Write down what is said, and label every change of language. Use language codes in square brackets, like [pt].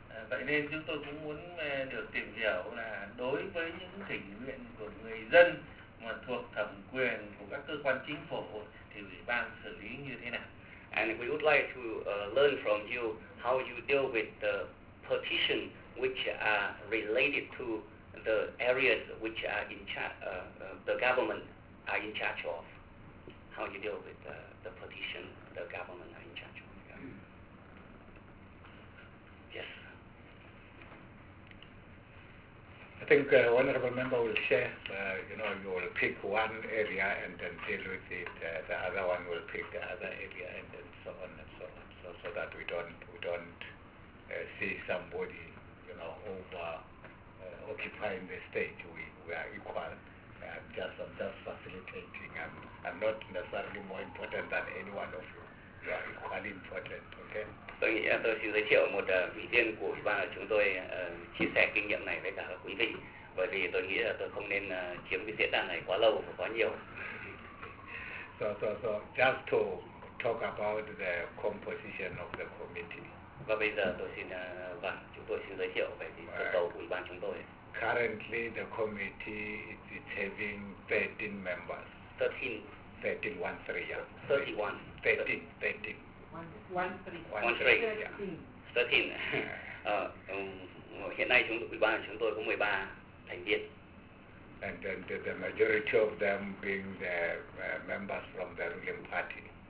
[vi] vậy nên chúng tôi cũng muốn được tìm hiểu là đối với những thỉnh nguyện của người dân mà thuộc thẩm quyền của các cơ quan chính phủ thì ủy ban xử lý như thế nào. [en] And we would like to learn from you how you deal with the petition which are related to the areas which are in charge, the government are in charge of. How you deal with the petition the government are in charge of. Yes. I think honorable member will share, you know, you will pick one area and then deal with it, the other one will pick the other area and then so on and so on, so that we don't see somebody, you know, occupying the stage. We are equal. I'm just facilitating. I'm not necessarily more important than any one of you. You are equally important, okay? [vi] Tôi nghĩ tôi xin giới thiệu một ủy viên của ủy ban chúng tôi chia sẻ kinh nghiệm này với cả quý vị, bởi vì tôi nghĩ là tôi không nên chiếm cái diễn đàn này quá lâu và quá nhiều. [en] So just to talk about the composition of the committee. [vi] Và bây giờ tôi xin chúng tôi xin giới thiệu về cơ cấu của ủy ban chúng tôi. [en] Currently the committee is having 13 members. 13. 13, 1, 3, yeah. 31. 13, 13. 1, 3. 13. [vi] Hiện nay ủy ban chúng tôi có 13 thành viên. [en] And then the majority of them being the members from the ruling party.